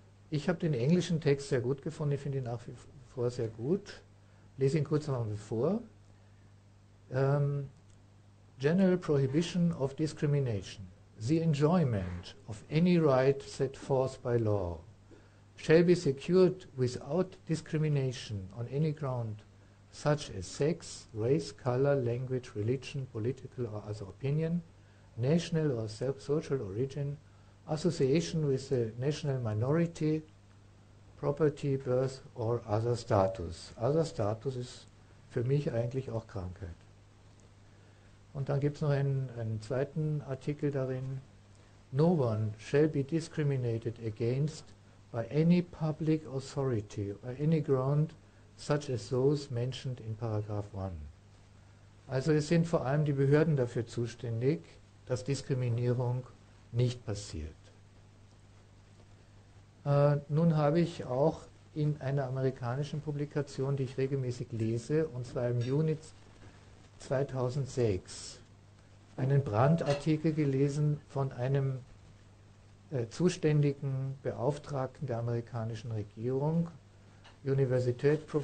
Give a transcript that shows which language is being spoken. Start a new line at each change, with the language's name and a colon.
German: Ich habe den englischen Text sehr gut gefunden, ich finde ihn nach wie vor sehr gut. Ich lese ihn kurz einmal vor.
English: General Prohibition of Discrimination. The enjoyment of any right set forth by law shall be secured without discrimination on any ground, such as sex, race, color, language, religion, political or other opinion, national or social origin, association with the national minority, property, birth or other status. Other status
German: ist für mich eigentlich auch Krankheit. Und dann gibt es noch einen zweiten Artikel darin.
English: No one shall be discriminated against by any public authority or any ground such as those mentioned in Paragraph 1.
German: Also es sind vor allem die Behörden dafür zuständig, dass Diskriminierung nicht passiert. Nun habe ich auch in einer amerikanischen Publikation, die ich regelmäßig lese, und zwar im Juni 2006, einen Brandartikel gelesen von einem zuständigen Beauftragten der amerikanischen Regierung, University